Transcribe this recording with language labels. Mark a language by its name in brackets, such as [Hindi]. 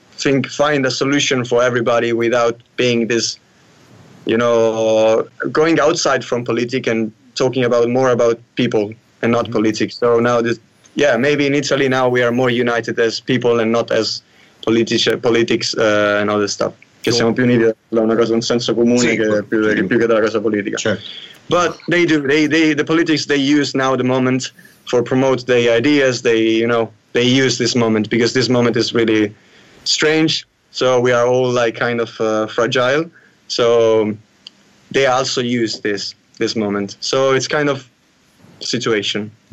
[English] Think, find a solution for everybody without being this, you know, going outside from politics and talking about more about people and not politics. So now, maybe in Italy now we are more united as people and not as politics and other stuff. [Italian] Che siamo più uniti da una cosa un senso comune più che dalla cosa politica. [English] But they do. They the politics they use now the moment for promote their ideas. They use this moment because this moment is really. Strange, so we are all like kind of fragile, so they also use this moment, so it's kind of situation.